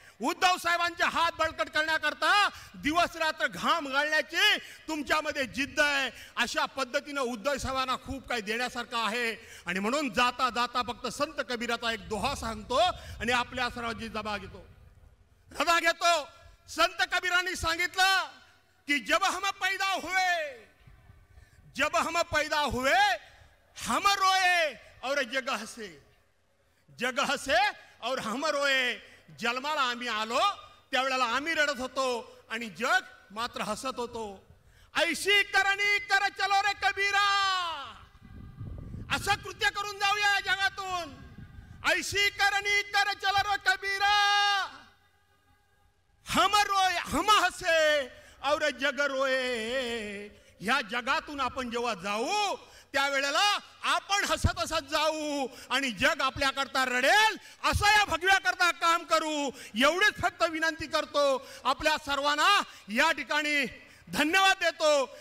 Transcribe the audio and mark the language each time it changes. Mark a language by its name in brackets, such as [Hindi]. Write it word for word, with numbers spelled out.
[Marathi] उद्धव साहेबांचे हात बळकट करण्याकरता दिवस रात्र घाम घालण्याची तुमच्यामध्ये जिद्द आहे. अशा पद्धतीनं उद्धव साहेबांना खूप काही देण्यासारखं आहे. आणि म्हणून जाता जाता फक्त संत कबीराचा एक दोहा सांगतो आणि आपल्या सर्वांची जबा घेतो, रदा घेतो. संत कबीरांनी सांगितलं की [Hindi] जब हम पैदा हुए, जब हम पैदा हुए हम रोए और जग हसे, जग हसे और हम रोए. [Marathi] जन्माला आम्ही आलो त्यावेळेला आम्ही रडत होतो आणि जग मात्र हसत होतो. [Hindi] ऐशी करणी कर चलो रे कबीरा, [Marathi] असं कृत्य करून जाऊया या जगातून. [Hindi] ऐशी करणी कर चलो रे कबीरा, हम रोय हम हसे और जग रोये. [Marathi] ह्या जगातून आपण जेव्हा जाऊ त्यावेळेला आपण हसत हसत जाऊ आणि जग आपल्याकरता रडेल, असं या भगव्याकरता काम करू, एवढीच फक्त विनंती करतो. आपल्या सर्वांना या ठिकाणी धन्यवाद देतो.